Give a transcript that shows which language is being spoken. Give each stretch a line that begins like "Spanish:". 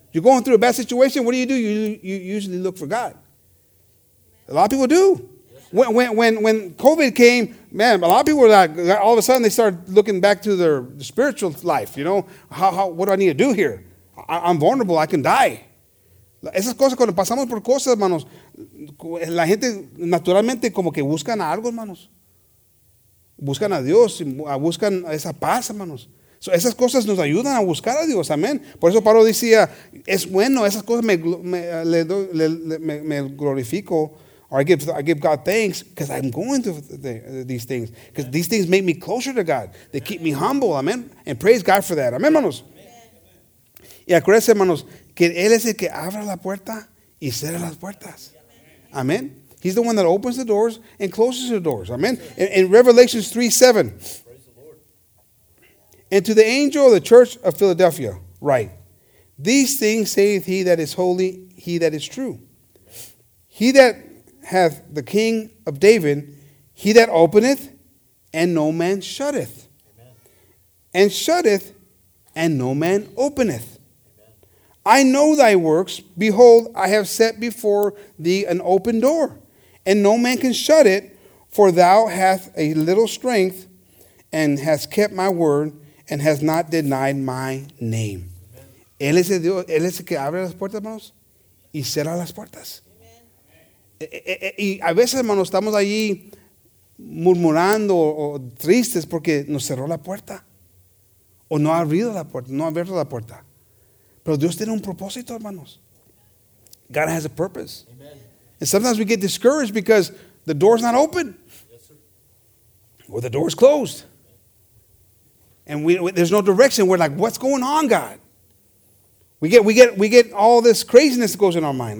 English: You're going through a bad situation. What do? You usually look for God. A lot of people do. Yes, when COVID came, man, a lot of people were like, all of a sudden they started looking back to their spiritual life. You know, how what do I need to do here? I'm vulnerable. I can die.
Spanish: Esas cosas, cuando pasamos por cosas, hermanos, la gente naturalmente como que buscan algo, hermanos. Buscan a Dios, buscan esa paz, hermanos. So esas cosas nos ayudan a buscar a Dios, amén. Por eso Pablo decía, es bueno, esas cosas me glorifico,
English: or I give God thanks, because I'm going through these things, because these things make me closer to God. They keep me humble, amén. And praise God for that,
Spanish: amén, hermanos. Y acuérdense, hermanos, que Él es el que abre la puerta y cierra las puertas. Amén.
English: He's the one that opens the doors and closes the doors. Amen. In Revelation 3:7. And to the angel of the church of Philadelphia, write, these things saith he that is holy, he that is true. He that hath the king of David, he that openeth, and no man shutteth. And shutteth, and no man openeth. I know thy works. Behold, I have set before thee an open door, and no man can shut it, for thou hast a little strength and hast kept my word and hast not denied my name.
Spanish: Él es el Dios, él es el que abre las puertas, hermanos, y cierra las puertas. Y a veces, hermanos, estamos allí murmurando o tristes porque nos cerró la puerta. O no ha abierto la puerta, no ha abierto la puerta. Pero Dios tiene un propósito, hermanos.
English: God has a purpose. Amen. And sometimes we get discouraged because the door's not open. Yes, or the door's closed. And we there's no direction. We're like, what's going on, God? We get all this craziness that goes in our mind.